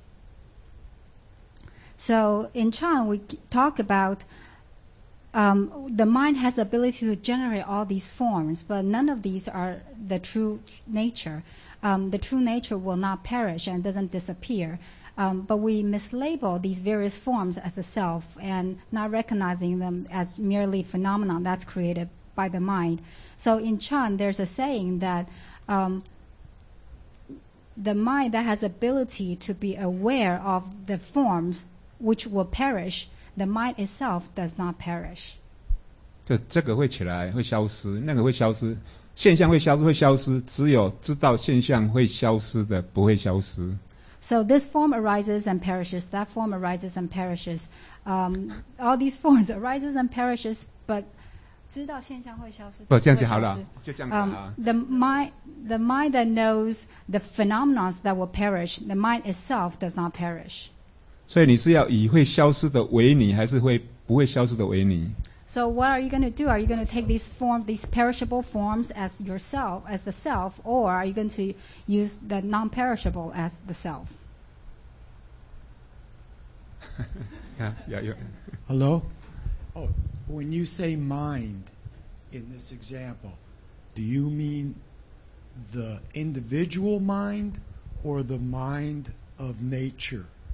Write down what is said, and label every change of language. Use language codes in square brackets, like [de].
[zh] 这个会起来，会消失，这个会消失，那个会消失，知道会消失的不会消失。 [en] So in Chan, we talk about the mind has the ability to generate all these forms, but none of these are the true nature. The true nature will not perish and doesn't disappear. But we mislabel these various forms as a self and not recognizing them as merely phenomena that's created by the mind. So in Chan, there's a saying that the mind that has ability to be aware of the forms which will perish, the mind itself does not perish. [zh] 就这个会起来会消失，那个会消失，现象会消失会消失，只有知道现象会消失的不会消失。 [en] So this form arises and perishes, that form arises and perishes. All these forms arises and perishes, but [zh] 知道现象会消失。不，这样就好了，就这样子啊。 [en] The mind that knows the phenomena that will perish, the mind itself does not perish. [zh] 所以你是要以会消失的为你，还是会不会消失的为你？ [en] So what are you going to do? Are you going to take these form, these perishable forms as yourself, as the self, or are you going to use the non-perishable as the self? Yeah. Hello? Oh, when you say mind in this example, do you mean the individual mind or the mind of nature?